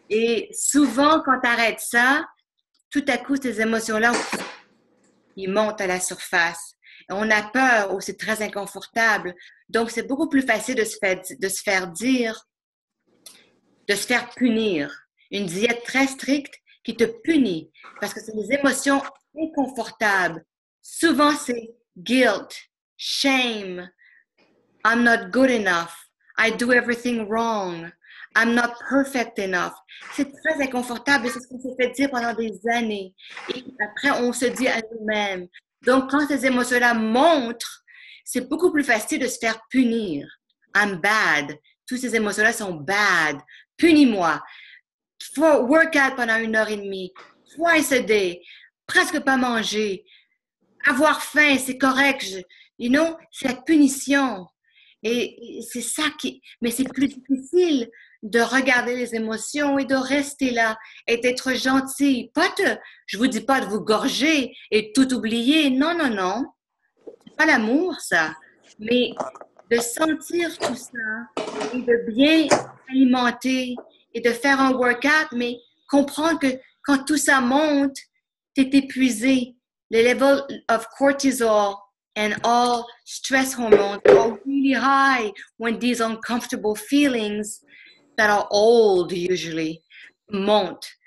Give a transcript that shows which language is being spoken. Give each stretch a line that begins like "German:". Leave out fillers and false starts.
French: Et souvent, quand tu arrêtes ça, tout à coup, ces émotions-là, ils montent à la surface. On a peur ou c'est très inconfortable. Donc, c'est beaucoup plus facile de se faire punir. Une diète très stricte qui te punit parce que c'est des émotions inconfortables. Souvent, c'est
English: guilt, shame, I'm not good enough, I do everything wrong, I'm not perfect enough.
French: C'est très inconfortable, c'est ce qu'on s'est fait dire pendant des années. Et après, on se dit à nous-mêmes. Donc, quand ces émotions-là montrent, c'est beaucoup plus facile de se faire punir.
English: I'm bad.
French: Toutes ces émotions-là sont bad. Punis-moi. Work out pendant 1h30,
English: twice a day,
French: presque pas manger, avoir faim, c'est correct.
English: You know,
French: c'est la punition. Et c'est ça qui... Mais c'est plus difficile de regarder les émotions et de rester là et d'être gentil. Je vous dis pas de vous gorger et tout oublier. Non. C'est pas l'amour, ça. Mais de sentir tout ça et de bien alimenter et de faire un workout, mais comprendre que quand tout ça monte, tu es épuisé.
English: Le level of cortisol and all stress hormones are really high when these uncomfortable feelings that are old usually
French: montent.